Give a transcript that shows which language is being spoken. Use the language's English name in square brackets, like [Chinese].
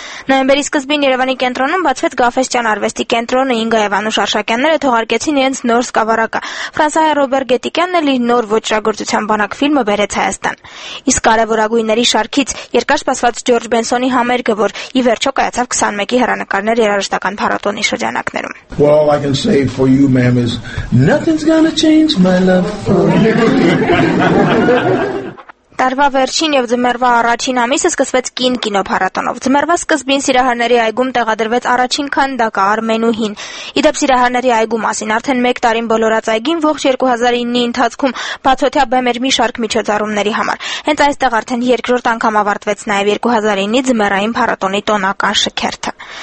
[Armenian] Նոյեմբերի սկզբին Երևանի կենտրոնում բացվեց Գաֆեսճան արվեստի կենտրոնը, Ինգա և Անուշ Արշակյանները թողարկեցին իրենց նոր սկավառակը։ Ֆրանսահայ Ռոբերտ Գետիկյանն էլ իր նոր ոճրագործության բանակ ֆիլմը բերեց Հայաստան։ Իսկ կարևորագույնների շարքից երկար սպասված Ջորջ Բենսոնի համերգը, որ ի վերջո կայացավ 21-ի հեռանկարներ երաժշտական փառատոնի շրջանակներում։ [English] Well, I can say for you, ma'am, is nothing's gonna change my love for you. [Armenian] Տարվա վերջին եւ ձմեռվա առաջին ամիսը սկսվեց Կին կինոփառատոնով։ Ձմեռվա սկզբին Սիրահարների այգում տեղադրվեց առաջին քանդակը Արմենուհին։ Իդեպ Սիրահարների այգու մասին արդեն 1 տարին բոլորած այգին ողջ 2009-ի ընթացքում բացօթյա բեմեր մի շարք միջոցառումների համար։ Հենց այստեղ արդեն երկրորդ անգամ ավարտվեց նաեւ 2009-ի ձմեռային փառատոնի տոնական շքերթը։